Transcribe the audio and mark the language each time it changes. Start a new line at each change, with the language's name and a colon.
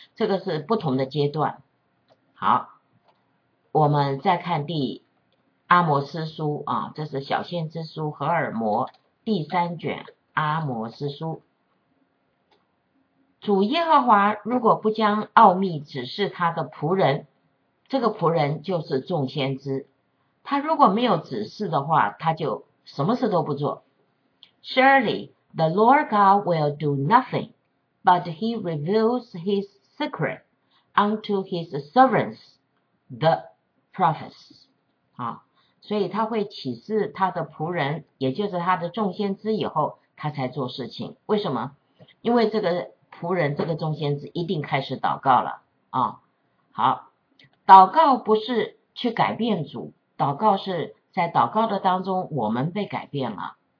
Chinese: 这个是不同的阶段。好，我们再看第阿摩斯书啊，这是小先知书荷尔摩第三卷阿摩斯书。主耶和华如果不将奥秘指示他的仆人，这个仆人就是众先知，他如果没有指示的话，他就什么事都不做。
English: Surely the Lord God will do nothing, but he reveals his secret unto his servants, the prophets.
Chinese: 好，所以他会启示他的仆人，也就是他的众先知以后，他才做事情。为什么？因为这个仆人，这个众先知一定开始祷告了。好，祷告不是去改变主，祷告是在祷告的当中我们被改变了。